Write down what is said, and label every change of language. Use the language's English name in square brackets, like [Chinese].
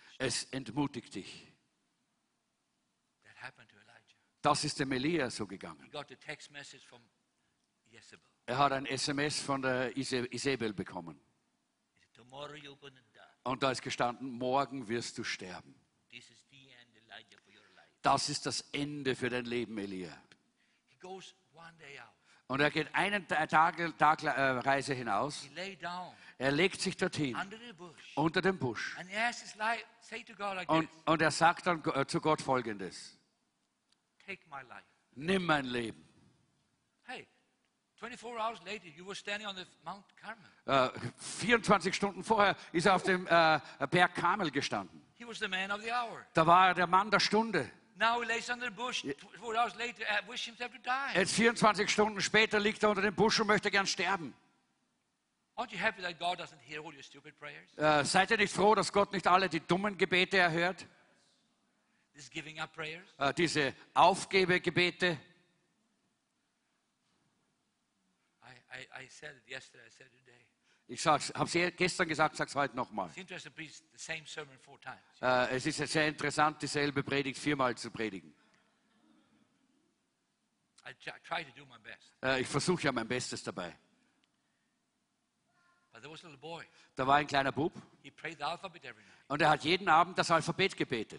[German] Es entmutigt dich. [English] That happened to Elijah. [German] Das ist dem Elia so gegangen. [English] He got a text message from Jezebel. [German] Er hat ein SMS von der Isabel bekommen. [English] Tomorrow you're gonna die. [German] Und da ist gestanden, morgen wirst du sterben. [English] This is the end, Elijah, for your life. [German] Das ist das Ende für dein Leben, Eliab. [English] He goes one day out. [German] Und er geht einen Tag Reise hinaus. [English] He lay down. [German] Er legt sich dorthin, [English] under the bush. [German] Unter dem Busch. [English] And he asks his life, say to God like [German] und er sagt dann zu Gott Folgendes. [English] Take my life. [German] Nimm mein Leben. Hey. [English] 24 hours later, you were standing on the Mount Carmel. [German] 24 Stunden vorher ist er auf dem Berg Karmel gestanden. [English] He was the man of the hour. [German] Da war er der Mann der Stunde. [English] Now he lays under the bush. 24 hours later, wishes himself to die. [German] Jetzt 24 Stunden später liegt er unter dem Busch und möchte gern sterben. [English] Aren't you happy that God doesn't hear all your stupid prayers? [German] Seid ihr nicht froh, dass Gott nicht alle die dummen Gebete erhört? [English] These giving up prayers. [German] Diese Aufgebegebete. [English] I said it yesterday. I said it today. [German] Ich habe es gestern gesagt, sag's heute nochmal. [English] It's interesting to preach the same sermon four times. [German] Es ist sehr interessant, dieselbe Predigt viermal zu predigen. [English] I try to do my best. [German] Ich versuche ja mein Bestes dabei. [English] But there was a little boy. [German] Da war ein kleiner Bub. [English] He prayed the alphabet every night. [German] Und er hat jeden Abend das Alphabet gebetet.